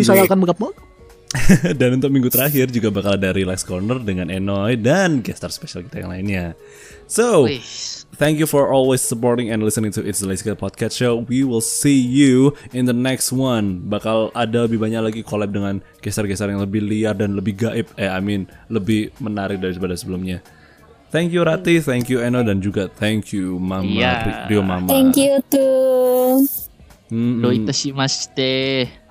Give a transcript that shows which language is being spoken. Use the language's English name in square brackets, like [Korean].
[Indonesian] Dan untuk minggu terakhir juga bakal ada Relax Corner dengan Enoi dan guest star spesial kita yang lainnya. [English] So, thank you for always supporting and listening to It's the Lazy Cat Podcast Show. We will see you in the next one. [Indonesian] Bakal ada lebih banyak lagi collab dengan geser-geser yang lebih liar dan lebih gaib. Lebih menarik daripada sebelumnya. [English] Thank you Rati, thank you Eno, [Indonesian] dan juga [English] thank you Mama, [Indonesian] yeah. Rio Mama. [English] Thank you [Japanese] too. Doitashimashite.